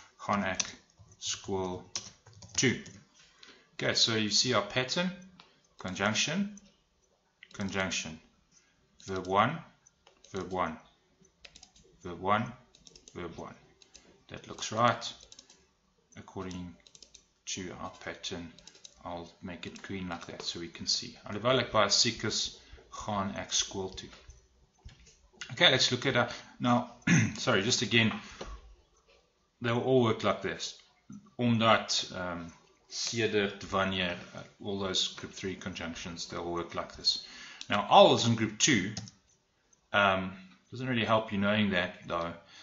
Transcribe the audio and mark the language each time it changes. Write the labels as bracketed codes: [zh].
[af] Gaan ek skool toe. [en] Okay, so you see our pattern. Conjunction. Conjunction. Verb 1. Verb 1. Verb 1. Verb 1. That looks right. According to our pattern, I'll make it green like that so we can see. [af] Alhoewel ek baie siek is, gaan ek skool toe. [en] Okay, let's look at now. Sorry, just again, they will all work like this. Omdat, sedert, wanneer, all those group 3 conjunctions, they all work like this. Now, al is in group 2. Doesn't really help you knowing that, though.